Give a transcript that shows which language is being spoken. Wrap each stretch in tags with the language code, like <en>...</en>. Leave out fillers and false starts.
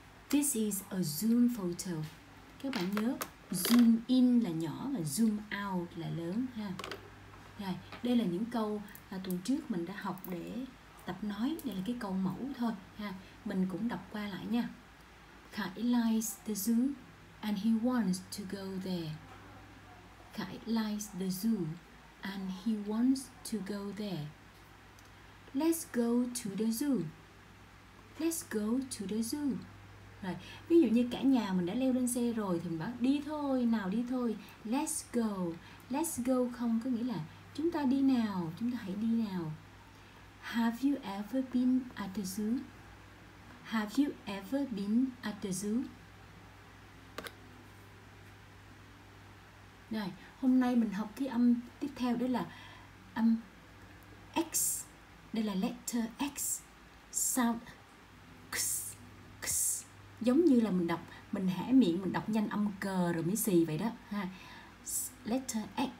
<en>This is a zoom photo.</en> <vi>Các bạn nhớ zoom in là nhỏ và zoom out là lớn ha. Rồi, đây là những câu tuần trước mình đã học để tập nói. Đây là cái câu mẫu thôi ha. Mình cũng đọc qua lại nha.</vi> <en>Khải likes the zoo and he wants to go there. Khải likes the zoo and he wants to go there. Let's go to the zoo. Let's go to the zoo.</en> <vi>Rồi, ví dụ như cả nhà mình đã leo lên xe rồi thì mình bảo đi thôi, nào đi thôi.</vi> <en>Let's go.</en> <vi>Let's go không có nghĩa là chúng ta đi nào, chúng ta hãy đi nào.</vi> <en>Have you ever been at the zoo? Have you ever been at the zoo?</en> <vi>Rồi, hôm nay mình học cái âm tiếp theo đó là âm X. Đây là</vi> <en>letter X. Sound X, X.</en> <vi>Giống như là mình đọc, mình hẽ miệng, mình đọc nhanh âm cờ rồi mới xì vậy đó ha.</vi> <en>Letter X.</en>